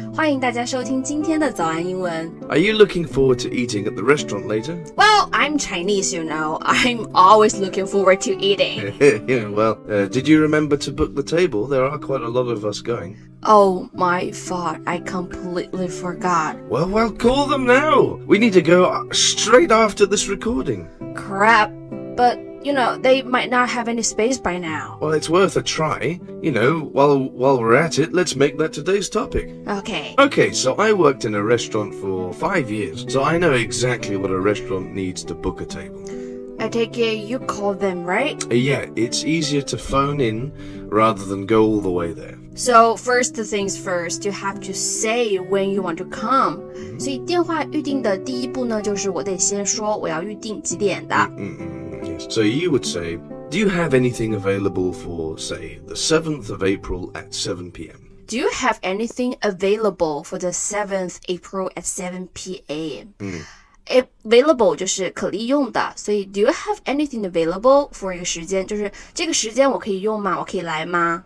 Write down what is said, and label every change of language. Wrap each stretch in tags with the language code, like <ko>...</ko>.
<zh>欢迎大家收听今天的早安英文。</zh> <en>Are you looking forward to eating at the restaurant later? Well, I'm Chinese, you know. I'm always looking forward to eating. did you remember to book the table? There are quite a lot of us going. Oh, my fault. I completely forgot. Well, call them now. We need to go straight after this recording. Crap, but... You know, they might not have any space by now. Well, it's worth a try. You know, while we're at it, let's make that today's topic. Okay. Okay, so I worked in a restaurant for 5 years, so I know exactly what a restaurant needs to book a table. I take it you call them, right? Yeah, it's easier to phone in rather than go all the way there. So, first things first, you have to say when you want to come.</en> <zh>所以电话预订的第一步呢，就是我得先说我要预订几点的。</zh> <en>So you would say, do you have anything available for, say, the 7th of April at 7 p.m? Do you have anything available for the 7th April at 7 p.m?、Available</en> <zh>就是可利用的，所以</zh> <en>do you have anything available for</en> <zh>一个时间，就是这个时间我可以用吗？我可以来吗？</zh>